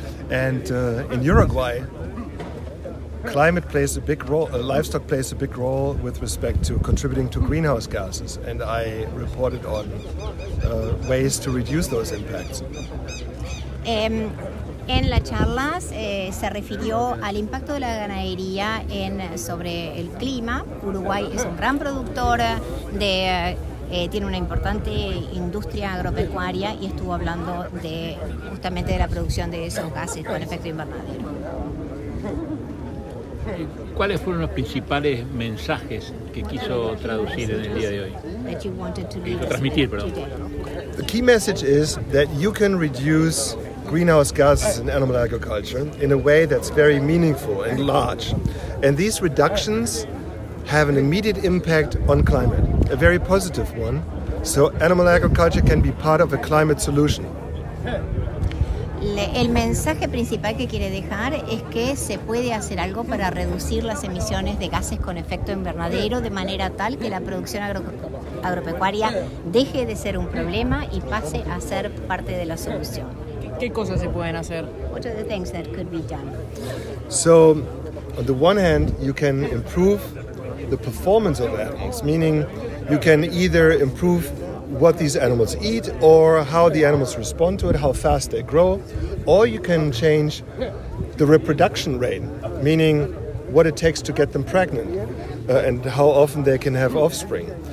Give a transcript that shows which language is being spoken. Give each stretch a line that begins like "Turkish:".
English: And in Uruguay, climate plays a big role, livestock plays a big role with respect to contributing to greenhouse gases. And I reported on ways to reduce those impacts.
Spanish: En la charla se refirió al impacto de la ganadería sobre el clima. Uruguay es un gran productor de... tiene una importante industria agropecuaria y estuvo hablando de justamente de la producción de esos gases con efecto invernadero. ¿Cuáles fueron los principales mensajes que quiso traducir en el día de hoy?
English: The key message is that you can reduce greenhouse gases in animal agriculture in a way that's very meaningful and large. And these reductions have an immediate impact on climate, a very positive one. So animal agriculture can be part of a climate solution.
Spanish: El mensaje principal que quiere dejar es que se puede hacer algo para reducir las emisiones de gases con efecto invernadero de manera tal que la producción agropecuaria deje de ser un problema y pase a ser parte de la solución. ¿Qué cosas se pueden hacer?
English: What are the things that could be done? So, on the one hand, you can improve the performance of animals, meaning you can either improve what these animals eat or how the animals respond to it, how fast they grow, or you can change the reproduction rate, meaning what it takes to get them pregnant and how often they can have offspring.